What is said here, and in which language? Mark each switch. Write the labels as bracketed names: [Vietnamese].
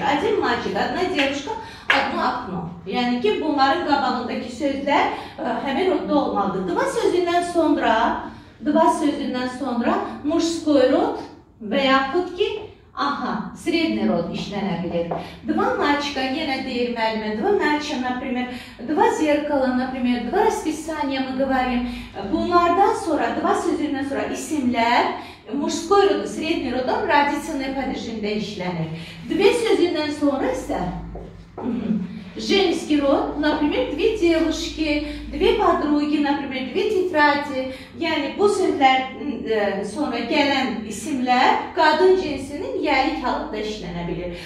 [Russian] Один мальчик, одна девушка, одно окно. [Azerbaijani] Yəni ki, bunların qabağındakı sözlər həmin rodda olmalıdır. Два sözündən sonra, два sözündən sonra [Russian] мужской род [Azerbaijani] və yaxud ki, aha, [Russian] средний род [Azerbaijani] işlənə bilir. [Russian] Два мальчика, [Azerbaijani] yenə deyir müəllimə, [Russian] два мальчика, например, два зеркала, например, два расписания, мы говорим. [Azerbaijani] Bunlardan sonra, два sözündən sonra isimlər [Russian] мужской род, средний родом родительный [Azerbaijani] падежində işlənir. [Russian] Две [Azerbaijani] sözündən sonra isə [Russian] женский род, например, две девушки, две подруги, например, две тетради. [Azerbaijani] Yəni, bu sözlər sonra gələn isimlər qadın cinsinin yəni kalıbda işlənə bilir.